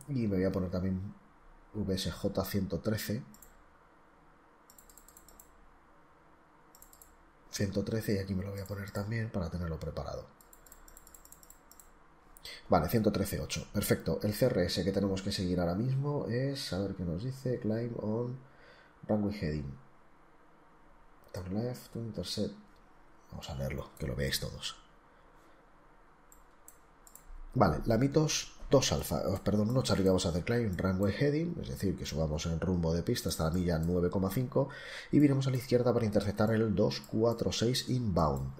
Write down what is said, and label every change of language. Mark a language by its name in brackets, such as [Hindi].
[Spanish] Y me voy a poner también VSJ 113. 113, y aquí me lo voy a poner también para tenerlo preparado. Vale, 113.8. Perfecto. El CRS que tenemos que seguir ahora mismo es. A ver qué nos dice. [English] Climb on runway heading. Turn left, intercept. [Spanish] Vamos a leerlo, que lo veáis todos. Vale, la Mitos 2 alfa, perdón, no Charlie, vamos a hacer [English] climb, runway heading, [Spanish] es decir, que subamos en rumbo de pista hasta la milla 9,5 y viremos a la izquierda para interceptar el 246 inbound.